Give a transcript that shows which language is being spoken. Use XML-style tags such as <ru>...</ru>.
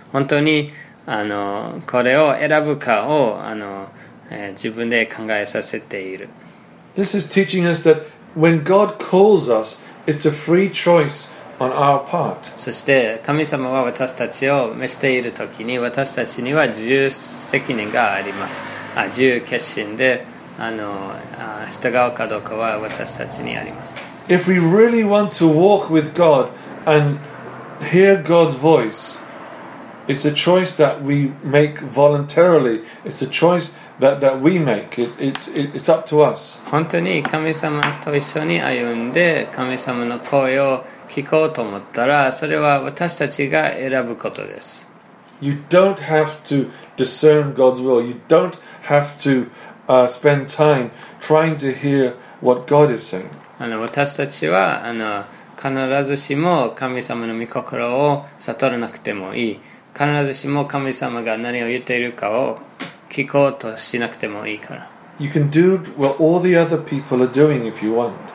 <ja>本当にこれを選ぶかを自分で考えさせている。</ja> <en>This is teaching us that when God calls us, it's a free choice on our part.</en> <ja>そして神様は私たちを召しているときに私たちには自由責任があります。自由決心で従うかどうかは私たちにあります。</ja> <en>If we really want to walk with God andhear God's voice, it's a choice that we make voluntarily. It's a choice that we make. It's up to us.</en> <ja>本当に神様と一緒に歩んで神様の声を聞こうと思ったら、それは私たちが選ぶことです。</ja> <en>You don't have to discern God's will. You don't have to spend time trying to hear what God is saying.</en> <ja>私たちは必ずしも神様の御心を悟らなくてもいい。必ずしも神様が何を言っているかを聞こうとしなくてもいいから。</ja> <en>You can do what all the other people are doing if you want.</en>